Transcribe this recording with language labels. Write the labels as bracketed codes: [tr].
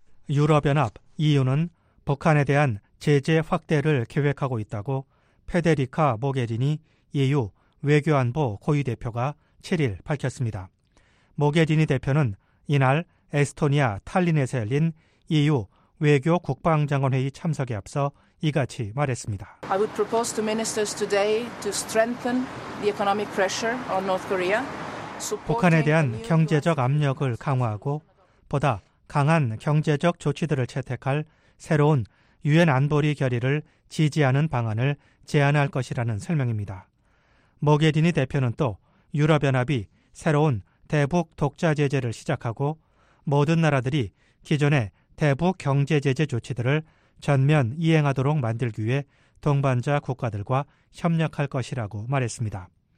[ko] 유럽연합 EU는 북한에 대한 제재 확대를 계획하고 있다고 페데리카 모게리니 EU 외교안보 고위대표가 7일 밝혔습니다. 모게리니 대표는 이날 에스토니아 탈린에서 열린 EU 외교 국방장관 회의 참석에 앞서 이같이 말했습니다. [en] I would propose to ministers today to strengthen the economic pressure on North Korea. [ko] 북한에 대한 경제적 압력을 강화하고 보다 강한 경제적 조치들을 채택할 새로운 유엔 안보리 결의를 지지하는 방안을 제안할 것이라는 설명입니다. 모게리니 대표는 또 유럽연합이 새로운 대북 독자 제재를 시작하고 모든 나라들이 기존의 대북 경제 제재 조치들을 전면 이행하도록 만들기 위해 동반자 국가들과 협력할 것이라고 말했습니다.